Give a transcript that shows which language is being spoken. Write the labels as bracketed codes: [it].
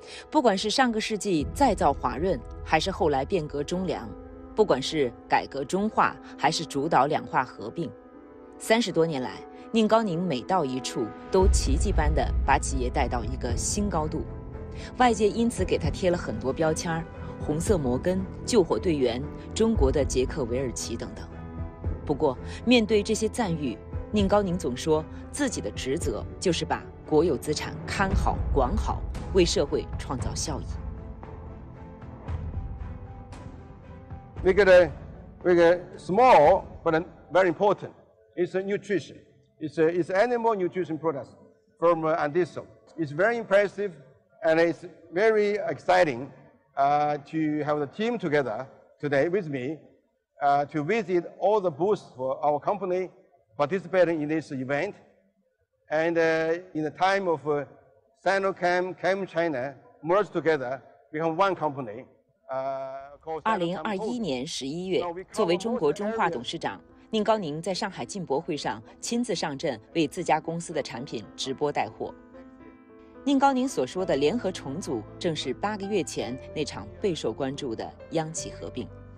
[zh] 不管是上个世纪再造华润，还是后来变革中粮，不管是改革中化，还是主导两化合并，30多年来，宁高宁每到一处都奇迹般地把企业带到一个新高度，外界因此给他贴了很多标签，红色摩根、救火队员、中国的杰克韦尔奇等等。不过面对这些赞誉，宁高宁总说自己的职责就是把国有资产看好管好，为社会创造效益。 [en] 那个 small but very important. It's a nutrition. It's animal nutrition products from Andiso. It's very impressive, and it's very exciting to have the team together today with me to visit all the booths for our company participating in this event. And in the time of Sinochem, Chem China merged together, become one company. [zh] 2021年11月，作为中国中化董事长，宁高宁在上海进博会上亲自上阵，为自家公司的产品直播带货。宁高宁所说的联合重组，正是八个月前那场备受关注的央企合并。